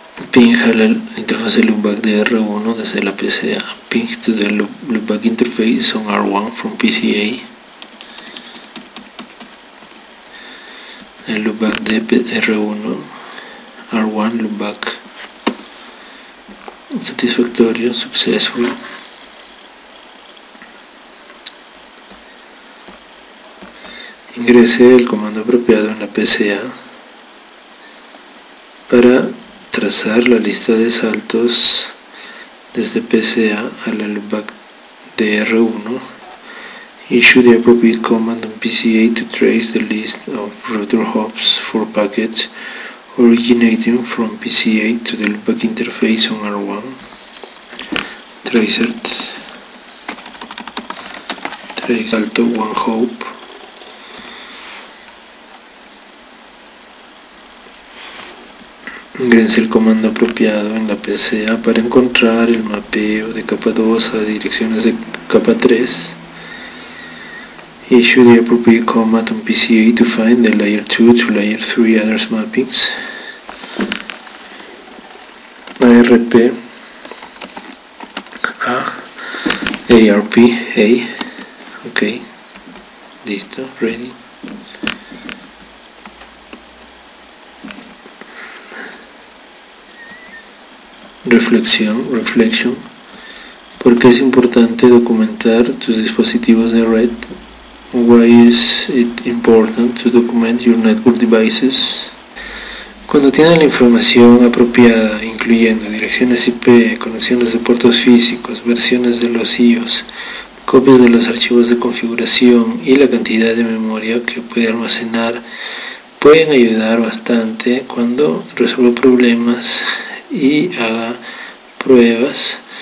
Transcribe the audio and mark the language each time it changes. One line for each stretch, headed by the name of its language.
Spanish: Ping a la interfaz de loopback de R1 desde la PCA.
English: Ping to the loopback interface on R1 from PCA.
Spanish: El loopback de R1, R1 loopback. Satisfactorio,
English: successful.
Spanish: Ingrese el comando apropiado en la PCA para trazar la lista de saltos desde PCA a la loopback de R1.
English: Issue the appropriate command on PCA to trace the list of router hops for packets originating from PCA to the loopback interface on R1.
Spanish: Tracer salto
English: one hop.
Spanish: Ingrese el comando apropiado en la PCA para encontrar el mapeo de capa 2 a direcciones de capa 3.
English: Issue the appropriate command on PCA to find the layer 2 to layer 3 address mappings. ARP A ARP A.
Spanish: Ok, listo,
English: ready.
Spanish: Reflexión,
English: reflection,
Spanish: ¿Por qué es importante documentar tus dispositivos de red?
English: Why is it important to document your network devices?
Spanish: Cuando tienen la información apropiada, incluyendo direcciones IP, conexiones de puertos físicos, versiones de los IOS, copias de los archivos de configuración y la cantidad de memoria que puede almacenar, pueden ayudar bastante cuando resuelva problemas y haga pruebas.